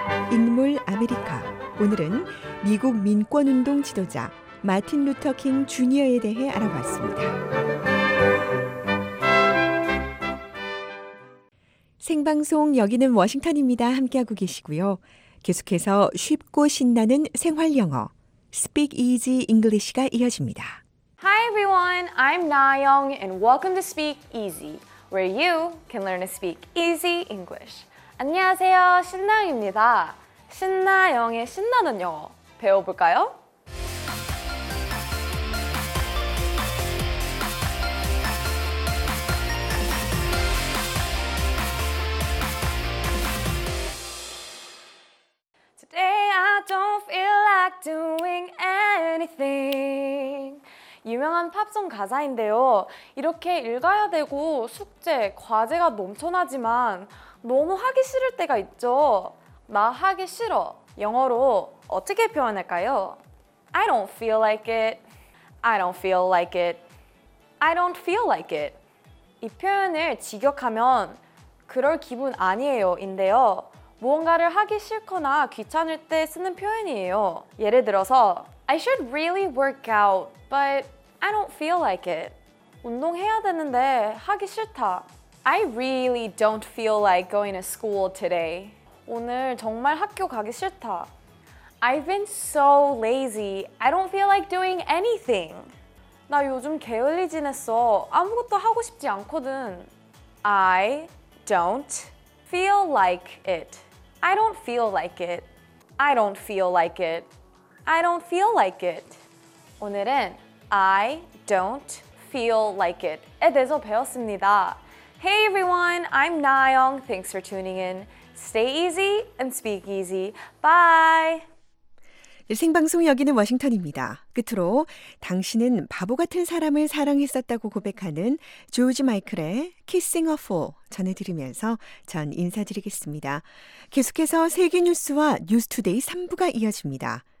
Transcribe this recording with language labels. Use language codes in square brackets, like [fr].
[ko] 인물 아메리카. 오늘은 미국 민권운동 지도자 마틴 루터 킹 주니어에 대해 알아봤습니다. 생방송 여기는 워싱턴입니다. 함께하고 계시고요. 계속해서 쉽고 신나는 생활 영어 Speak Easy English가 이어집니다. [en] Hi everyone, I'm Na Young and welcome to Speak Easy, where you can learn to speak easy English. [ko] 안녕하세요, 신나영입니다. 신나영의 신나는 영어 배워볼까요? 유명한 팝송 가사인데요. 이렇게 읽어야 되고 숙제, 과제가 넘쳐나지만 너무 하기 싫을 때가 있죠. 나 하기 싫어. 영어로 어떻게 표현할까요? [en] I don't feel like it. I don't feel like it. I don't feel like it. [ko] 이 표현을 직역하면 그럴 기분 아니에요 인데요. 무언가를 하기 싫거나 귀찮을 때 쓰는 표현이에요. 예를 들어서 [en] I should really work out, but I don't feel like it. [ko] 운동해야 되는데 하기 싫다. [en] I really don't feel like going to school today. [ko] 오늘 정말 학교 가기 싫다. [en] I've been so lazy. I don't feel like doing anything. [ko] 나 요즘 게을리 지냈어. 아무것도 하고 싶지 않거든. [en] I don't feel like it. I don't feel like it. I don't feel like it. I don't feel like it. [ko] 오늘은 [en] I don't feel like it [ko] 에 대해서 배웠습니다. [en] Hey everyone, I'm Na Young. Thanks for tuning in. Stay easy and speak easy. Bye! [ko] 생방송 여기는 워싱턴입니다. 끝으로 당신은 바보 같은 사람을 사랑했었다고 고백하는 조지 마이클의 Kissing a Fool 전해드리면서 전 인사드리겠습니다. 계속해서 세계 뉴스와 뉴스 투데이 3부가 이어집니다.